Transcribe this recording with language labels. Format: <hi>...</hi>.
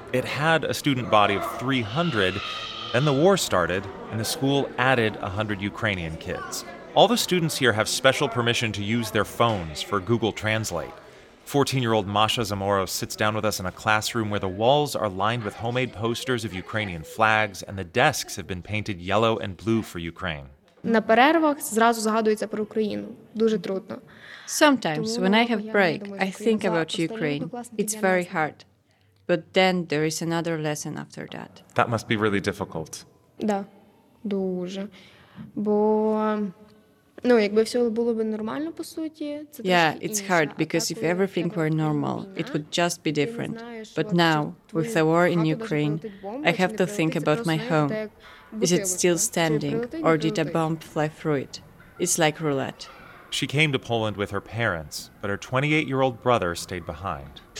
<en>It had a student body of 300, then the war started, and the school added 100 Ukrainian kids. All the students here have special permission to use their phones for Google Translate. 14-year-old Masha Zamoro sits down with us in a classroom where the walls are lined with homemade posters of Ukrainian flags, and the desks have been painted yellow and blue for Ukraine.</en> <uk>На перервах зразу згадується про Україну. Дуже трудно.</uk> <en>Sometimes when I have break, I think about Ukraine. It's very hard. But then there is another lesson after that. That must be really difficult.</en> <uk>Да. Дуже. Бо ну, якби все було би нормально по суті, це трошки.</uk> <en>Yeah, it's hard because if everything were normal, it would just be different. But now with the war in Ukraine, I have to think about my home. Is it still standing, or did a bomb fly through it? It's like roulette. She came to Poland with her parents, but her 28-year-old brother stayed behind.</en>